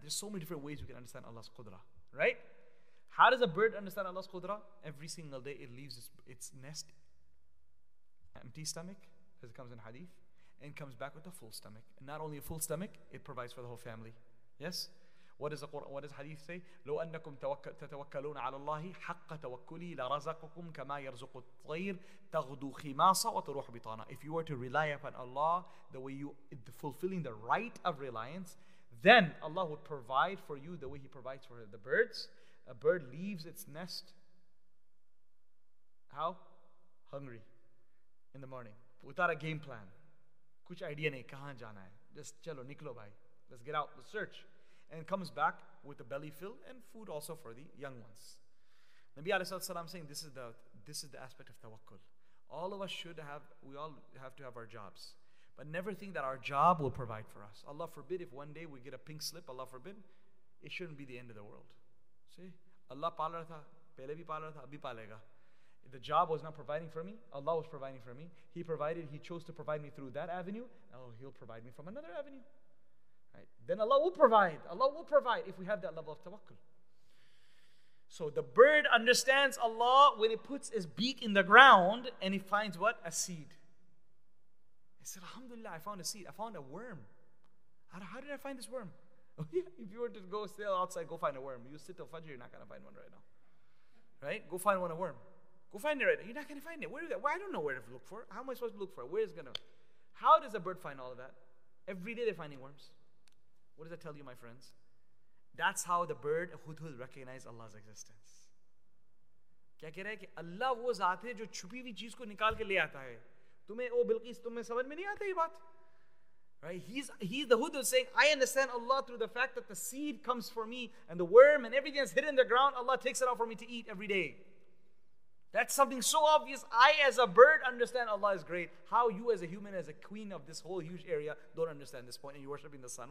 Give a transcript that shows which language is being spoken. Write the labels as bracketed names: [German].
[English] There's so many different ways we can understand Allah's qudrah, right? How does a bird understand Allah's qudrah? Every single day it leaves its nest empty stomach, as it comes in hadith, and comes back with a full stomach. And not only a full stomach, it provides for the whole family. Yes? What does the Quran, what does hadith say? [Arabic] لو أنكم تتوكلون على الله حق توكلي لرزقكم كما يرزق الطير تغدو خماصة وتروح بطانة. [English] If you were to rely upon Allah the way you fulfilling the right of reliance, then Allah would provide for you the way He provides for the birds. A bird leaves its nest how? Hungry in the morning without a game plan. [Urdu] کچھ idea نہیں کہاں جانا ہے. Just چلو نکلو بھائی. [English] Let's get out. Let's search. And comes back with a belly fill and food also for the young ones. Nabi alayhi salam saying this is the aspect of tawakkul. All of us should have, we all have to have our jobs. But never think that our job will provide for us. Allah forbid if one day we get a pink slip, Allah forbid, it shouldn't be the end of the world. See? [Urdu] اللہ پال رہا تھا، پہلے بھی پال رہا تھا، ابھی پالے گا. [English] The job was not providing for me, Allah was providing for me. He provided, He chose to provide me through that avenue, now He'll provide me from another avenue. Right. Then Allah will provide. Allah will provide if we have that level of tawakkul. So the bird understands Allah when it puts its beak in the ground and it finds what? A seed. It said, Alhamdulillah, I found a seed. I found a worm. How did I find this worm? If you were to go sail outside, go find a worm. You sit till Fajr, you're not going to find one right now. Right? Go find one, a worm. Go find it right now. You're not going to find it. Where is that? Well, I don't know where to look for it. How am I supposed to look for it? Where is it going to? How does a bird find all of that? Every day they're finding worms. What does that tell you, my friends? That's how the bird, Hudhud, recognized Allah's existence. [Urdu] کیا کہہ رہا ہے کہ اللہ وہ ذات ہے جو چھپی ہوئی چیز کو نکال کے لے آتا ہے. تمہیں او بلقیس، تمہیں سمجھ میں نہیں آتا یہ بات. [English] Right? He's the Hudhud saying, I understand Allah through the fact that the seed comes for me and the worm and everything that's hidden in the ground, Allah takes it out for me to eat every day. That's something so obvious. I, as a bird, understand Allah is great. How you, as a human, as a queen of this whole huge area, don't understand this point and you're worshiping the sun.